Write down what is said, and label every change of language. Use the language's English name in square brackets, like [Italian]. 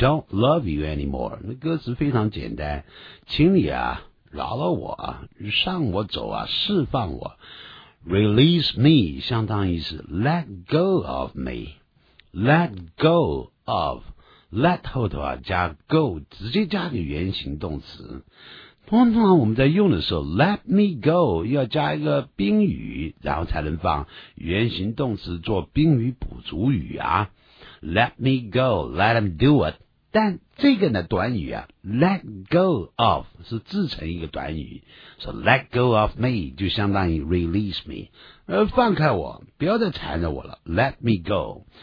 [English] Love you anymore， [Chinese] 那歌词非常简单，请你啊饶了我，让我走啊，释放我。 [English] Release me [Chinese] 相当于是 [English] Let go of me， Let go of， Let [Chinese] 后头啊加 go， 直接加个原形动词。通常我们在用的时候 Let me go 要加一个宾语，然后才能放原形动词做宾语补足语啊。 [English] Let me go， Let him do it。 [Chinese] 但这个呢短语啊 let go of 是自成一个短语，所以 [English] let go of me [Chinese] 就相当于 [English] release me， [Chinese] 放开我，不要再缠着我了， [English] let me go。